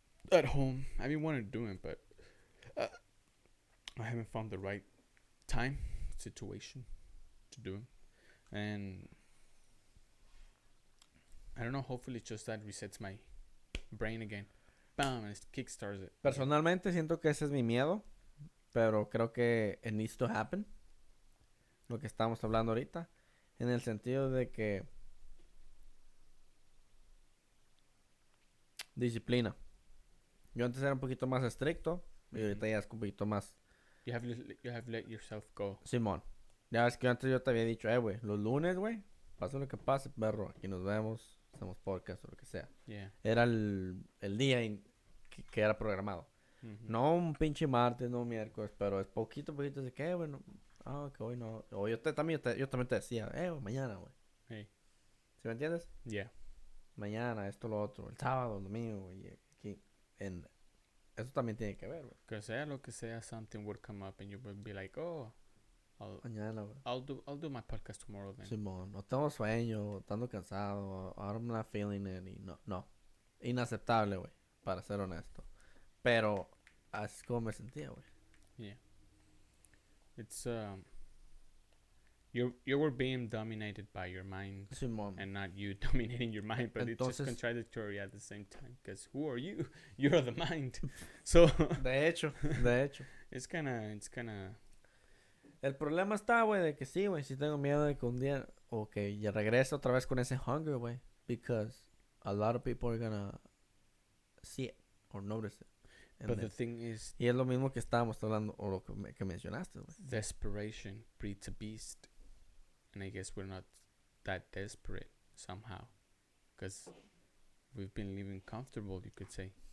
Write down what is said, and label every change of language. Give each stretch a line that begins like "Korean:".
English: At home, I've been wanting to do it, but I haven't found the right time, situation to do it. And I don't know, hopefully it's just that resets my brain again. Bam, and it kickstarts it.
Spanish: Personalmente, siento que ese es mi miedo, pero creo que
English: it needs to happen.
Spanish: Lo que estamos hablando ahorita, en el sentido de que disciplina. Yo antes era un poquito más estricto, mm-hmm. y ahorita ya es un poquito más.
English: You have let yourself go.
Spanish: Simón. Ya es que antes yo te había dicho, güey, los lunes, güey, pase lo que pase, perro, aquí nos vemos, hacemos podcast o lo que sea.
English: Yeah.
Spanish: Era el día que era programado. Mm-hmm. No un pinche martes, no un miércoles, pero es poquito a poquito de que, bueno, que hoy no. O yo también te decía, güey, mañana, güey. Hey. ¿Sí me entiendes?
English: Yeah.
Spanish: Mañana, esto, lo otro, el sábado, el domingo, güey, aquí. Eso también tiene que ver, güey. Que sea lo que sea,
English: something would come up and you would be like, oh, I'll do my podcast tomorrow then.
Spanish: Simón, no tengo sueño, estando cansado,
English: I'm not feeling it,
Spanish: y no. Inaceptable, güey, para ser honesto. Pero así es como me sentía, güey.
English: Yeah. It's, you were being dominated by your mind.
Spanish: Simón.
English: And not you dominating your mind, but entonces, it's just contradictory at the same time. Because who are you? You're the mind. So.
Spanish: De hecho.
English: It's kind of.
Spanish: El problema está, güey, de que sí, güey, sí tengo miedo de que un día, ya regrese otra vez con ese hunger, güey.
English: Because a lot of people are gonna see it or notice it. But the thing is...
Spanish: Y es lo mismo que estábamos hablando, o lo que mencionaste, güey.
English: Desperation breeds a beast. And I guess we're not that desperate somehow. Because we've been living comfortable, you could say.